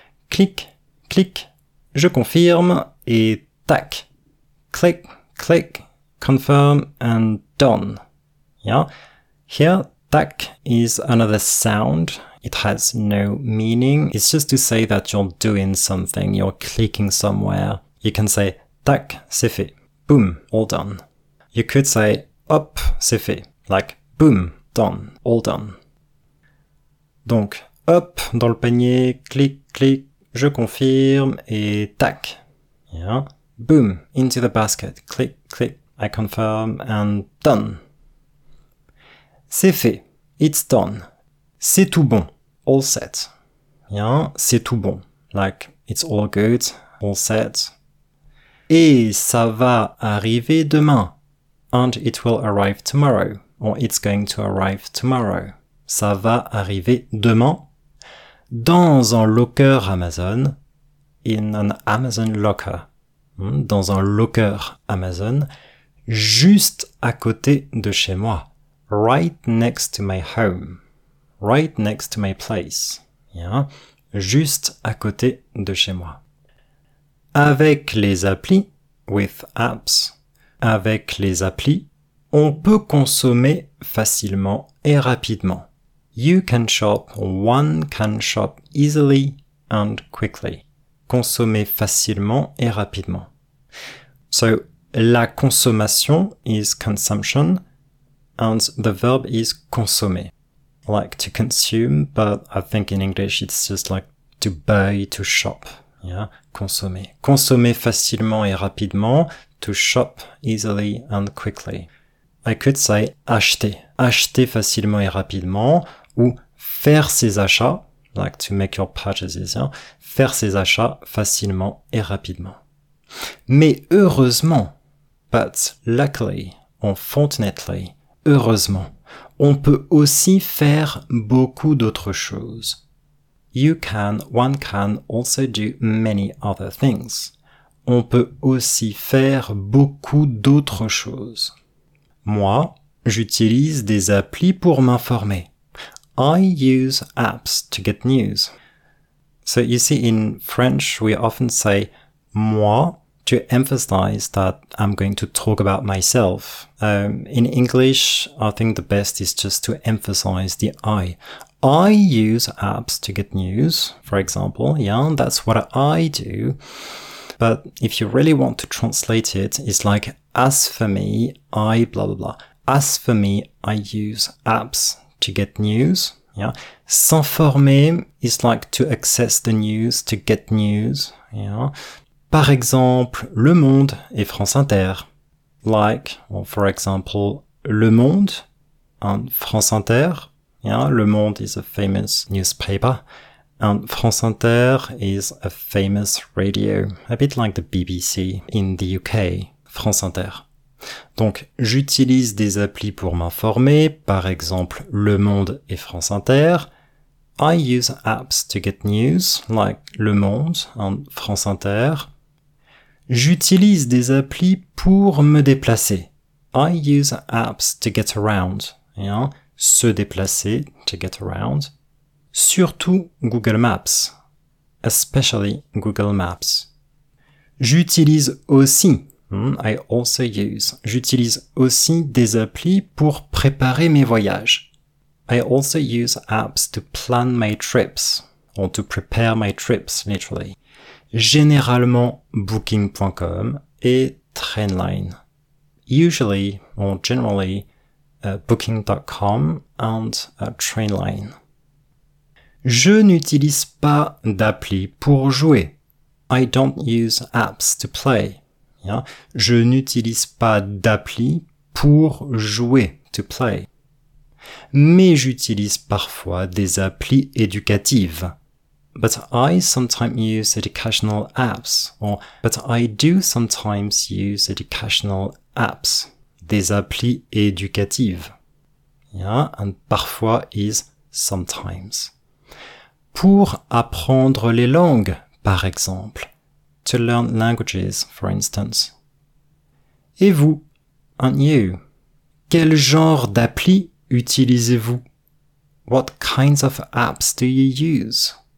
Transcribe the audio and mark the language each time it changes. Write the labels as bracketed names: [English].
[French] Clic, clic, je confirme et tac. [English] Click, click, confirm and done. Yeah. Here, tac is another sound. It has no meaning. It's just to say that you're doing something, you're clicking somewhere. You can say [French] tac, c'est fait. [English] Boom, all done. You could say [French] hop, c'est fait. [English] Like boom, done, all done. [French] Donc, hop, dans le panier, clic, clic, je confirme et tac. [English] Yeah. Boom, into the basket, click, click, I confirm, and done. [French] C'est fait, [English] it's done. [French] C'est tout bon, [English] all set. Yeah, [French] c'est tout bon, [English] like, it's all good, all set. [French] Et ça va arriver demain. [English] And it will arrive tomorrow, or it's going to arrive tomorrow. [French] Ça va arriver demain. Dans un locker Amazon, [English] in an Amazon locker. [French] Dans un locker Amazon, juste à côté de chez moi. [English] Right next to my home. Right next to my place. [French] Yeah. Juste à côté de chez moi. Avec les applis, [English] with apps, [French] avec les applis, on peut consommer facilement et rapidement. [English] You can shop, one can shop easily and quickly. [French] Consommer facilement et rapidement. [English] So, [French] la consommation [English] is consumption, and the verb is consommer, like to consume, but I think in English it's just like to buy, to shop, yeah, consommer. [French] Consommer facilement et rapidement, [English] to shop easily and quickly. I could say [French] acheter, acheter facilement et rapidement, ou faire ses achats, [English] like to make your purchases, [French] hein, faire ses achats facilement et rapidement. Mais heureusement, [English] but luckily, unfortunately, [French] heureusement, on peut aussi faire beaucoup d'autres choses. [English] One can also do many other things. [French] On peut aussi faire beaucoup d'autres choses. Moi, j'utilise des applis pour m'informer. [English] I use apps to get news. So you see, in French, we often say moi to emphasize that I'm going to talk about myself. In English, I think the best is just to emphasize the I. I use apps to get news, for example. Yeah, that's what I do. But if you really want to translate it, it's like, as for me, I blah blah blah. As for me, I use apps to get news. Yeah. S'informer is like to access the news, to get news. Yeah. [French] Par exemple, Le Monde et France Inter. [English] Like, well, for example, Le Monde and France Inter. Yeah. Le Monde is a famous newspaper. And France Inter is a famous radio, a bit like the BBC in the UK, France Inter. [French] Donc, j'utilise des applis pour m'informer, par exemple, Le Monde et France Inter. [English] I use apps to get news, like Le Monde and France Inter. [French] J'utilise des applis pour me déplacer. [English] I use apps to get around, yeah? [French] Se déplacer, [English] to get around. [French] Surtout Google Maps, [English] especially Google Maps. [French] J'utilise aussi, [English] I also use, [French] j'utilise aussi des applis pour préparer mes voyages. [English] I also use apps to plan my trips, or to prepare my trips, literally. [French] Généralement Booking.com et Trainline. [English] Usually, or generally, Booking.com and Trainline. [French] Je n'utilise pas d'appli pour jouer. [English] I don't use apps to play. Yeah? [French] Je n'utilise pas d'appli pour jouer, [English] to play. [French] Mais j'utilise parfois des applis éducatives. [English] But I sometimes use educational apps. Or, but I do sometimes use educational apps. [French] Des applis éducatives. Yeah? [English] And parfois is sometimes. [French] Pour apprendre les langues, par exemple. [English] To learn languages, for instance. [French] Et vous, [English] and you, [French] quel genre d'appli utilisez-vous? [English] What kinds of apps do you use?